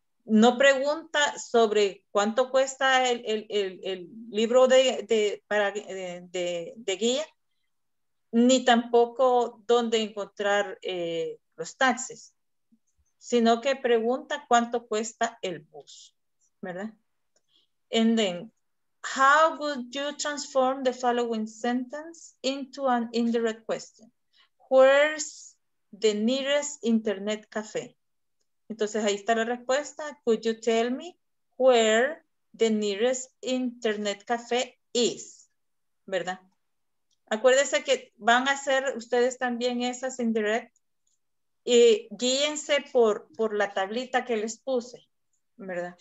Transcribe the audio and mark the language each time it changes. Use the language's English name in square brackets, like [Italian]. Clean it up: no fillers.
[Spanish] No pregunta sobre cuánto cuesta el libro de guía, ni tampoco dónde encontrar los taxis, sino que pregunta cuánto cuesta el bus, ¿verdad? [English] And then, how would you transform the following sentence into an indirect question? Where's the nearest internet cafe? [Spanish] Entonces, ahí está la respuesta. [English] Could you tell me where the nearest internet cafe is? [Spanish] ¿Verdad? Acuérdense que van a hacer ustedes también esas indirect y guíense por la tablita que les puse, ¿verdad?